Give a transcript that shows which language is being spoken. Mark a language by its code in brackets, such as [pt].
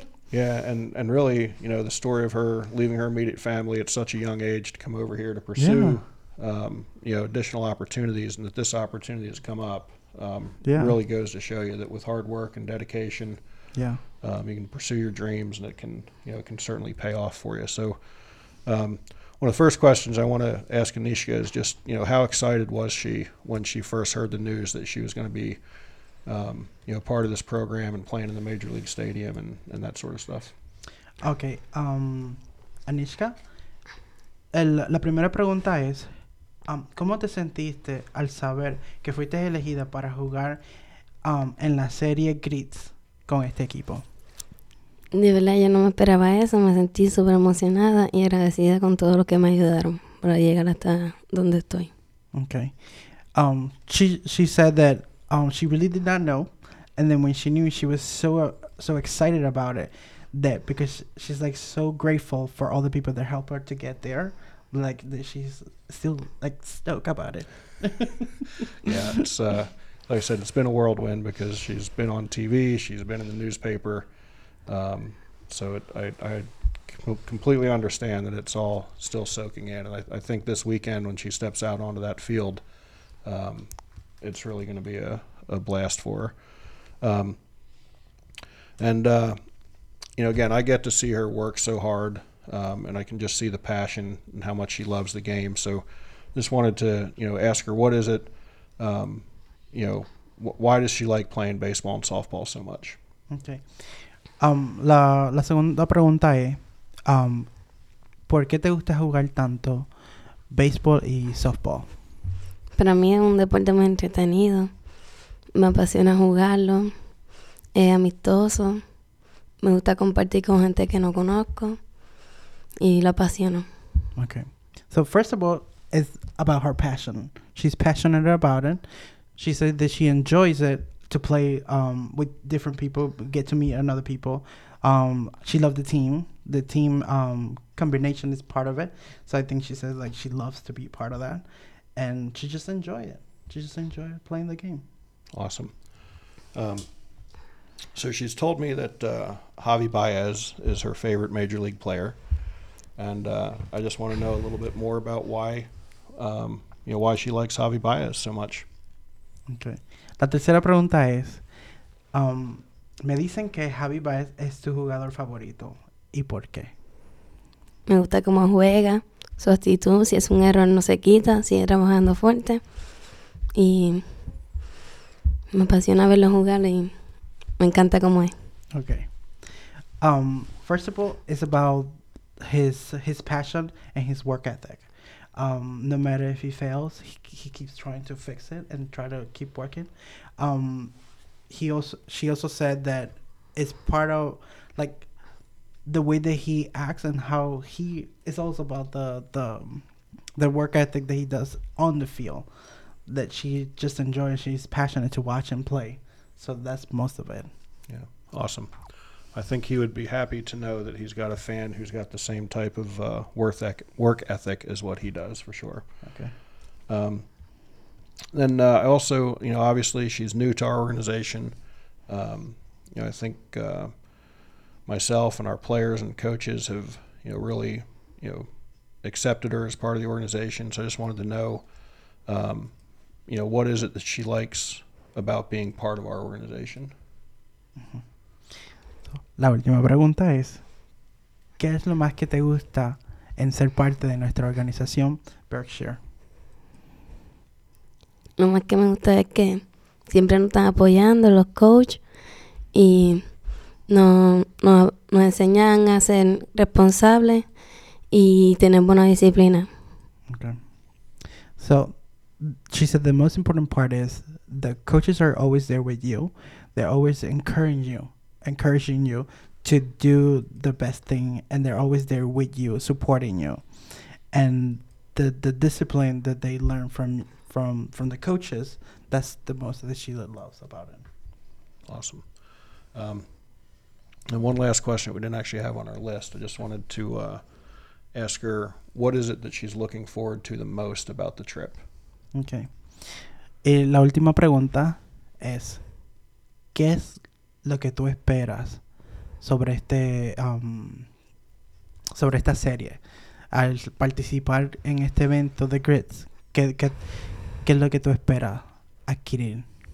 [en] Yeah, and really, you know, the story of her leaving her immediate family at such a young age to come over here to pursue, you know, additional opportunities, and that this opportunity has come up, really goes to show you that with hard work and dedication, you can pursue your dreams, and it can, you know, it can certainly pay off for you. So one of the first questions I want to ask Anishka is just, you know, how excited was she when she first heard the news that she was going to be, you know, part of this program and playing in the Major League Stadium and that sort of stuff? Okay. [es] Anishka, la primera pregunta es, ¿cómo te sentiste al saber que fuiste elegida para jugar en la serie Grits con este equipo? De verdad, yo no me esperaba eso. Me sentí súper emocionada y agradecida con todo lo que me ayudaron para llegar hasta donde estoy. [en] Okay. She said that she really did not know, and then when she knew, she was so excited about it, that because she's like so grateful for all the people that helped her to get there, like that she's still like stoked about it. Yeah, it's like I said, it's been a whirlwind because she's been on TV, she's been in the newspaper. So I completely understand that it's all still soaking in. And I think this weekend when she steps out onto that field, it's really going to be a blast for her. You know, again, I get to see her work so hard, and I can just see the passion and how much she loves the game. So just wanted to, you know, ask her, what is it, you know, why does she like playing baseball and softball so much? Okay. [es] La segunda pregunta es, ¿por qué te gusta jugar tanto béisbol y softball? Para mí es un deporte muy entretenido. Me apasiona jugarlo. Es amistoso. Me gusta compartir con gente que no conozco. Y lo apasiono. [en] Okay. So first of all, it's about her passion. She's passionate about it. She said that she enjoys it. To play with different people, get to meet another people. She loved the team. The team combination is part of it. So I think she says like she loves to be part of that, and she just enjoy it. She just enjoy playing the game. Awesome. So she's told me that Javi Baez is her favorite major league player, and I just want to know a little bit more about why, you know, why she likes Javi Baez so much. Okay. [es] La tercera pregunta es, me dicen que Javi Baez es tu jugador favorito, ¿y por qué? Me gusta cómo juega, su actitud, si es un error no se quita, sigue trabajando fuerte, y me apasiona verlo jugar y me encanta cómo es. [en] Okay. First of all, it's about his passion and his work ethic. No matter if he fails, he keeps trying to fix it and try to keep working. She also said that it's part of like the way that he acts and how he is also about the work ethic that he does on the field, that she just enjoys. She's passionate to watch him play. So that's most of it. Yeah. Awesome. I think he would be happy to know that he's got a fan who's got the same type of work ethic as what he does, for sure. Okay. Then also, you know, obviously she's new to our organization. You know, I think myself and our players and coaches have, you know, really, you know, accepted her as part of the organization. So I just wanted to know, you know, what is it that she likes about being part of our organization? Mm-hmm. [es] La última pregunta es, ¿qué es lo más que te gusta en ser parte de nuestra organización, Berkshire? Lo más que me gusta es que siempre nos están apoyando, los coach, y nos enseñan a ser responsables y tener buena disciplina. [en] Okay. So, she said the most important part is the coaches are always there with you. They're always encouraging you to do the best thing, and they're always there with you, supporting you, and the discipline that they learn from the coaches, that's the most that she loves about it. Awesome. And one last question we didn't actually have on our list. I just wanted to ask her, what is it that she's looking forward to the most about the trip? Okay. [es] La última pregunta es, ¿qué es lo que tú esperas sobre este sobre esta serie? Al participar en este evento de Grits, ¿qué es lo que tú esperas adquirir?